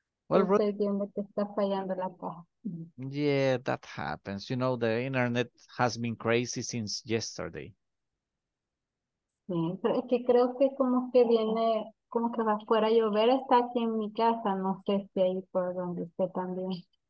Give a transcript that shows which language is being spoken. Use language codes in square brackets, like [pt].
[es] Well, estoy viendo que está fallando la caja. [en] Yeah, that happens. You know, the internet has been crazy since yesterday. [es] Sí, que creo que como que viene, como que va fuera a llover, está aquí en mi casa, no sé si ahí por donde esté también.